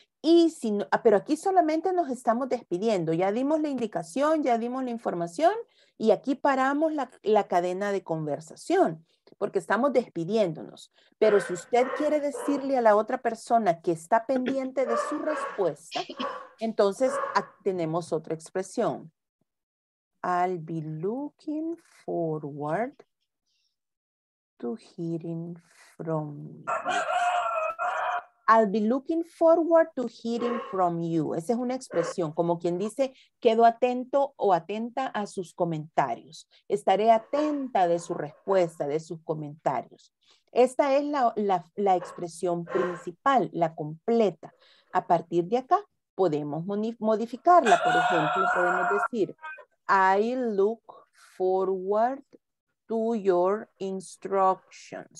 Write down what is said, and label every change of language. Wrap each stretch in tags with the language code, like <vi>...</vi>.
<es>Y si no, pero aquí solamente nos estamos despidiendo. Ya dimos la indicación, ya dimos la información y aquí paramos la cadena de conversación porque estamos despidiéndonos. Pero si usted quiere decirle a la otra persona que está pendiente de su respuesta, entonces tenemos otra expresión.</es> <en>I'll be looking forward to hearing from you. I'll be looking forward to hearing from you.</en> <es>Esa es una expresión, como quien dice, quedo atento o atenta a sus comentarios. Estaré atenta de su respuesta, de sus comentarios. Esta es la expresión principal, la completa. A partir de acá, podemos modificarla. Por ejemplo, podemos decir,</es> <en>I look forward to your instructions.</en>